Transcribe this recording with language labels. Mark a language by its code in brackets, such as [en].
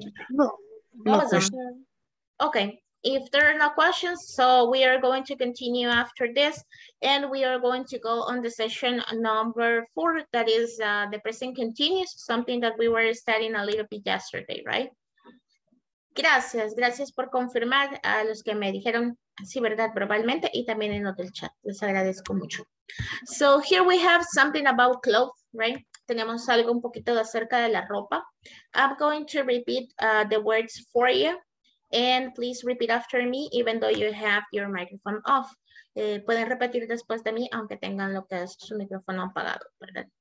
[en] No question. Okay. If there are no questions, so we are going to continue after this, and we are going to go on the session number 4, that is the present continuous, something that we were studying a little bit yesterday, right? [es] Gracias, gracias por confirmar a los que me dijeron, sí, verdad, probablemente, y también en otro chat, les agradezco mucho. [en] So here we have something about clothes, right? [es] Tenemos algo un poquito acerca de la ropa. [en] I'm going to repeat the words for you. And please repeat after me, even though you have your microphone off. [es] Pueden repetir después de mí, aunque tengan lo que es su micrófono apagado, ¿verdad?